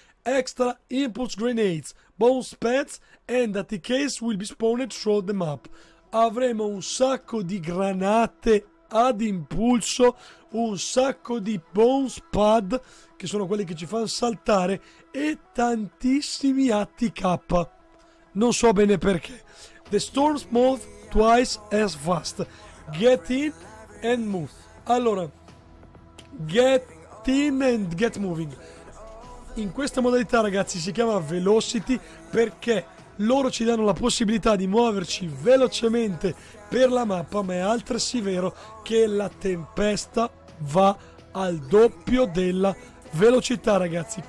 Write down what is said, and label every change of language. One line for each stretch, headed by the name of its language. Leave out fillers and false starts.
English: Extra impulse grenades, bones pads and ATKs will be spawned throughout the map.
Italian: Avremo un sacco di granate ad impulso, un sacco di bones pad, che sono quelli che ci fanno saltare, e tantissimi ATK, non so bene perché.
English: The storms move twice as fast, get in and move. Allora, get in and get moving.
Italian: In questa modalità, ragazzi, si chiama Velocity perché loro ci danno la possibilità di muoverci velocemente per la mappa, ma è altresì vero che la tempesta va al doppio della velocità, ragazzi.